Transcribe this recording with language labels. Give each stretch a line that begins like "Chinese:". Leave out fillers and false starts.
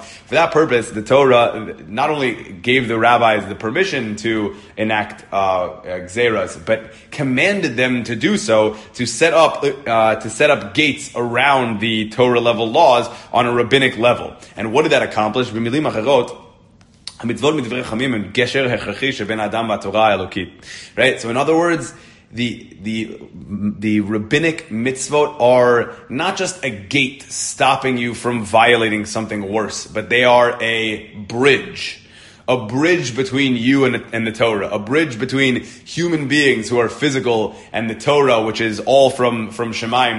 English: For that purpose, the Torah not only gave the rabbis the permission to enact gzeras, but commanded them to do so, to set up gates around the Torah level laws on a rabbinic level. And what did that accomplish?
Hebrew: B'milim acherot, המצוות מדברי חכמים הם גשר הכרחי שבין האדם והתורה האלוקית.
English: Right? So in other words, the rabbinic mitzvot are not just a gate stopping you from violating something worse, but they are a bridge. A bridge between you and the Torah. A bridge between human beings who are physical and the Torah, which is all from Shemayim.